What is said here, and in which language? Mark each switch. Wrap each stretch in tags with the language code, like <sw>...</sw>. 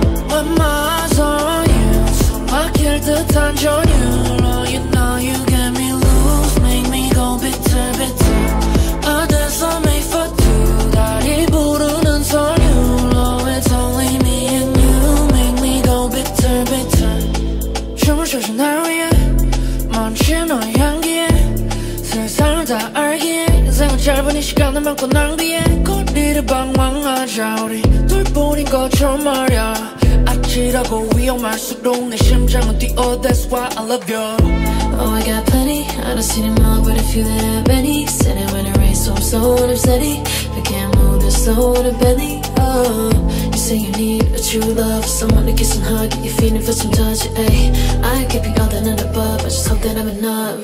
<en>When my eyes are on you, so I care the time on you. Oh, you know you get me loose, make me go bitter, bitter.</en> <ko>Others are made for two. 다리 부르는 소녀. Oh, it's only me and you, make me go bitter, bitter. 춤을 춰줘 날 위해, 먼지 너의 향기에. 세상을 다 알기에, 인생은 짧은 이 시간을 막고 낭비해. 거리를 방황하자, 우리 둘뿐인 것처럼 말야. 아찔하고 위험할수록 내 심장은 뛰어.</ko> <en>That's why I love you. Oh, I got plenty. I don't see any more, but if you have any. Send it when it rains, so I'm slow and I'm steady. If I can't move this slow and I'm bendy. Oh, you say you need a true love, someone to kiss and hug. Get you feeling for some touch, ay. I keep you all down and above. I just hope that I'm enough,</en>